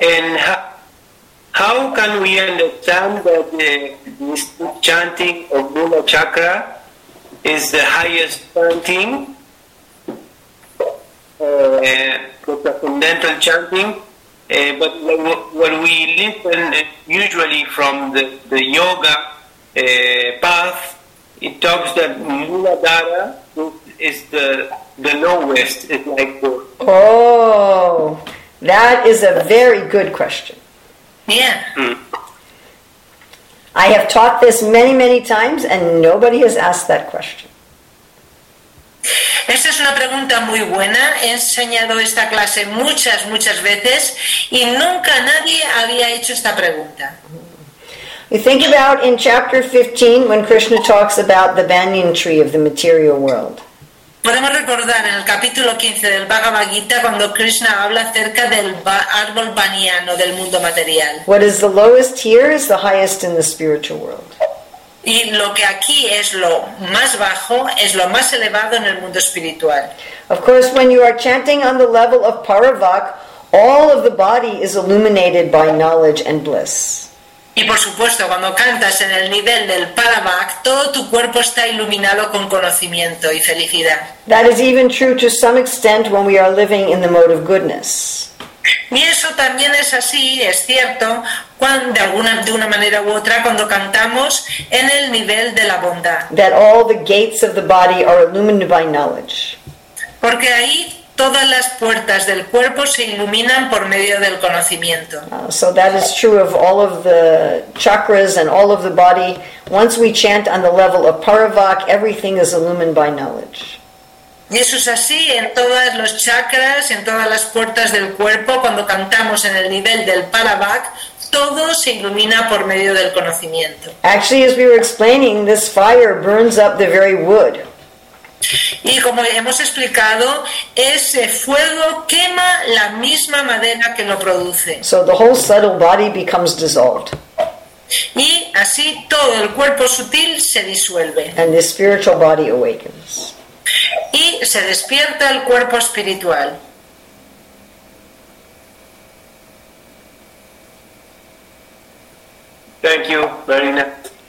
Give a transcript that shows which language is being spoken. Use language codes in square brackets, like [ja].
[en] And how can we understand that this chanting of Mula Chakra is the highest chanting, the transcendental chanting, but when we listen usually from the yoga path, it talks that Mula Dara is the lowest, is like the... Oh, that is a very good question. I have taught this many, many times and nobody has asked that question. [es] Esta es una pregunta muy buena. He enseñado esta clase muchas, muchas veces y nunca nadie había hecho esta pregunta. [en] You think about in chapter 15 when Krishna talks about the banyan tree of the material world. [es] Podemos recordar en el capítulo 15 del Bhagavad Gita cuando Krishna habla acerca del árbol baniano del mundo material. [en] What is the lowest here is the highest in the spiritual world. [es] Y lo que aquí es lo más bajo es lo más elevado en el mundo espiritual. [en] Of course, when you are chanting on the level of Paravak, all of the body is illuminated by knowledge and bliss. [es] Y por supuesto, cuando cantas en el nivel del Paravak, todo tu cuerpo está iluminado con conocimiento y felicidad. [en] That is even true to some extent when we are living in the mode of goodness. [es] Y eso también es así, es cierto, cuando, de una manera u otra, cuando cantamos en el nivel de la bondad. [en] That all the gates of the body are illumined by knowledge. [es] Porque ahí todas las puertas del cuerpo se iluminan por medio del conocimiento. [en] So that is true of all of the chakras and all of the body. Once we chant on the level of Paravak, everything is illumined by knowledge. [es] Y eso es así en todos los chakras, en todas las puertas del cuerpo, cuando cantamos en el nivel del Paravak, todo se ilumina por medio del conocimiento. [en] Actually, as we were explaining, this fire burns up the very wood. [es] Y como hemos explicado, ese fuego quema la misma madera que lo produce. [en] So the whole subtle body becomes dissolved. [es] Y así todo el cuerpo sutil se disuelve. [en] And the spiritual body awakens. [es] Y se despierta el cuerpo espiritual. [en] Thank you very much.